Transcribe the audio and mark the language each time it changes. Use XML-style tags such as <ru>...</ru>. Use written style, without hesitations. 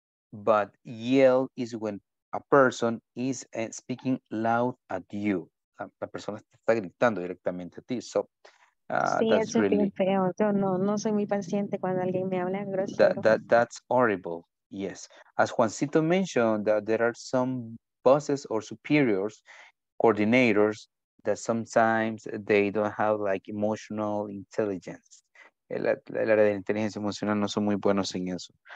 <en>But yell is when a person is speaking loud at you.</en> <es>La persona está gritando directamente a ti. So, sí, that's eso really... es feo. Yo no, no soy muy paciente cuando alguien me habla grosero.</es> <en>That's horrible. Yes. As Juancito mentioned, that there are some bosses or superiors, coordinators, that sometimes they don't have like emotional intelligence.</en> <es>El área de inteligencia emocional no son muy buenos en eso.</es>